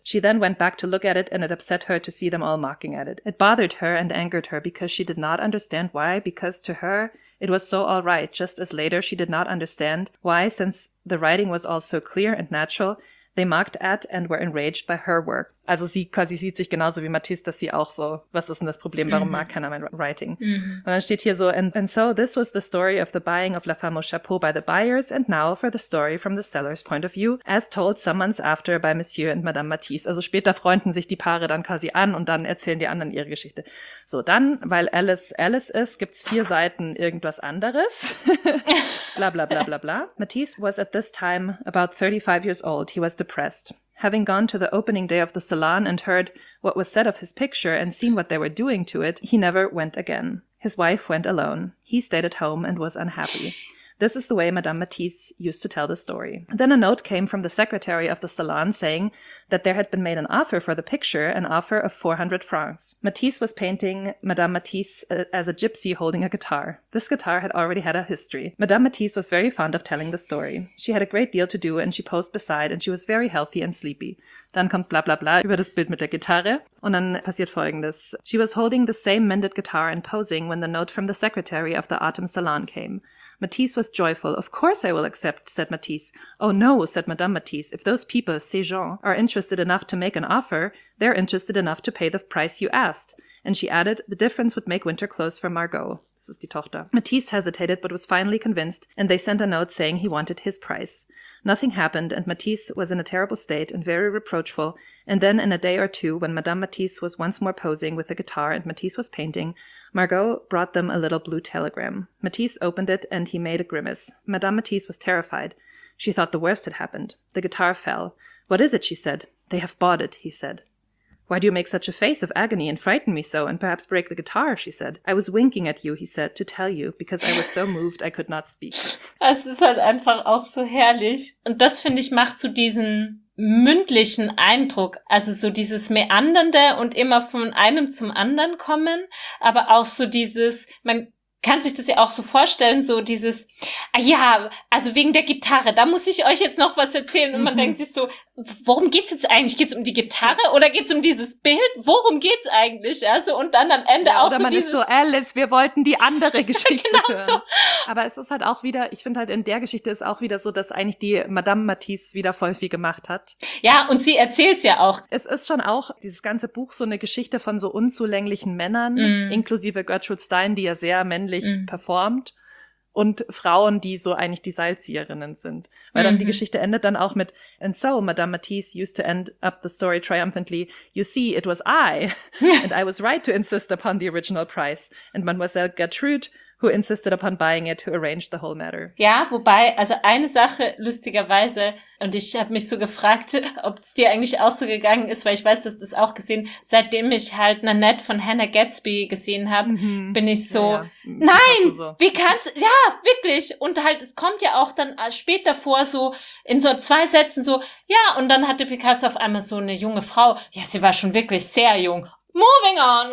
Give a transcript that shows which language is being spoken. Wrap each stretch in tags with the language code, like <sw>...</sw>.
<en>She then went back to look at it, and it upset her to see them all mocking at it. It bothered her and angered her because she did not understand why, because to her, it was so all right, just as later she did not understand why, since the writing was all so clear and natural, they mocked at and were enraged by her work.</en> <de>Also sie quasi sieht sich genauso wie Matisse, dass sie auch so, was ist denn das Problem, warum mag keiner mein Writing? Mm-hmm. Und dann steht hier so,</de> <en>and so this was the story of the buying of La Femme au Chapeau by the buyers, and now for the story from the seller's point of view, as told some months after by Monsieur and Madame Matisse.</en> <de>Also später freunden sich die Paare dann quasi an und dann erzählen die anderen ihre Geschichte. So, dann, weil Alice Alice ist, gibt's vier Seiten irgendwas anderes. Bla bla bla bla bla.</de> <en>Matisse was at this time about 35 years old. He was depressed. Having gone to the opening day of the salon and heard what was said of his picture and seen what they were doing to it, he never went again. His wife went alone. He stayed at home and was unhappy. This is the way Madame Matisse used to tell the story. Then a note came from the secretary of the salon saying that there had been made an offer for the picture, an offer of 400 francs. Matisse was painting Madame Matisse as a gypsy holding a guitar. This guitar had already had a history. Madame Matisse was very fond of telling the story. She had a great deal to do and she posed beside and she was very healthy and sleepy.</en> <de>Dann kommt bla bla bla über das Bild mit der Gitarre und dann passiert Folgendes.</de> <en>She was holding the same mended guitar and posing when the note from the secretary of the autumn salon came. Matisse was joyful. Of course I will accept, said Matisse. Oh no, said Madame Matisse. If those people,</en> <fr>ces gens,</fr> <en>are interested enough to make an offer, they're interested enough to pay the price you asked. And she added, the difference would make winter clothes for Margot. This is</en> <de>die Tochter.</de> <en>Matisse hesitated, but was finally convinced, and they sent a note saying he wanted his price. Nothing happened, and Matisse was in a terrible state and very reproachful. And then in a day or two, when Madame Matisse was once more posing with a guitar and Matisse was painting, Margot brought them a little blue telegram. Matisse opened it and he made a grimace. Madame Matisse was terrified. She thought the worst had happened. The guitar fell. What is it? She said. They have bought it, he said. Why do you make such a face of agony and frighten me so and perhaps break the guitar? She said. I was winking at you, he said, to tell you, because I was so moved I could not speak.</en> <de>Es ist halt einfach auch so herrlich. Und das, finde ich, macht zu diesen mündlichen Eindruck, also so dieses Meandernde und immer von einem zum anderen kommen, aber auch so dieses, man kann sich das ja auch so vorstellen, so dieses, ja, also wegen der Gitarre, da muss ich euch jetzt noch was erzählen. Und man denkt sich so, worum geht's jetzt eigentlich? Geht's um die Gitarre oder geht's um dieses Bild? Worum geht's eigentlich? Also, und dann am Ende auch so dieses... Oder man ist so, Alice, wir wollten die andere Geschichte genau hören. So. Aber es ist halt auch wieder, ich finde halt, in der Geschichte ist auch wieder so, dass eigentlich die Madame Matisse wieder voll viel gemacht hat. Ja, und sie erzählt's ja auch. Es ist schon auch dieses ganze Buch so eine Geschichte von so unzulänglichen Männern, inklusive Gertrude Stein, die ja sehr männlich performt. Und Frauen, die so eigentlich die Seilzieherinnen sind. Weil dann die Geschichte endet dann auch mit,</de> <en>and so Madame Matisse used to end up the story triumphantly, you see, it was I, and I was right to insist upon the original price, and Mademoiselle Gertrude, who insisted upon buying it, to arrange the whole matter.</en> <de>Ja, wobei, also eine Sache, lustigerweise, und ich habe mich so gefragt, ob es dir eigentlich auch so gegangen ist, weil ich weiß, dass du es auch gesehen, seitdem ich halt Nanette von Hannah Gadsby gesehen habe, bin ich so, ja. Nein, so. Wie kannst du, ja, wirklich, und halt, es kommt ja auch dann später vor, so in so zwei Sätzen so, ja, und dann hatte Picasso auf einmal so eine junge Frau, ja, sie war schon wirklich sehr jung,</de> <en>moving on.</en>